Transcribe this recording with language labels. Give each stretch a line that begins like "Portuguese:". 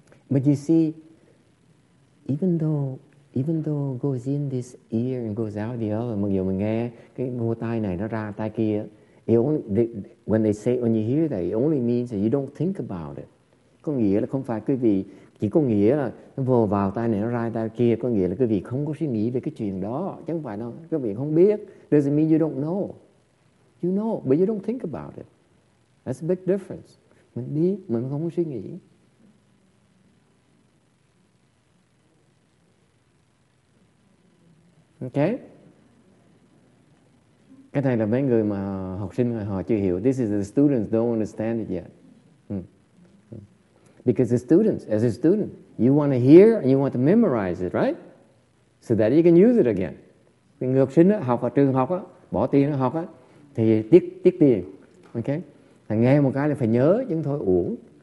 English: But you see, even though goes in this ear and goes out the other,
Vietnamese: mặc dù mình nghe cái vô tai này nó ra tai kia,
English: when you hear that, it only means that you don't think about it.
Vietnamese: Có nghĩa là không phải quý vị, chỉ có nghĩa là nó vô vào tai này nó ra tai kia, có nghĩa là quý vị không có suy nghĩ về cái chuyện đó, chứ không phải đâu, quý vị không biết.
English: Doesn't mean you don't know. You know, but you don't think about it. That's a big difference.
Vietnamese: Mình biết, mình không có suy nghĩ.
English: Okay.
Vietnamese: Cái này là mấy người mà học sinh họ chưa hiểu.
English: This is the students don't understand it yet. Because the students, as a student, you want to hear and you want to memorize it, right? So that you can use it again.
Vietnamese: Cái người học sinh đó, học ở trường học đó, bỏ tiền đó, học đó, thì tiếc tiền. Okay. Là nghe một cái là phải nhớ chứ thôi uổng.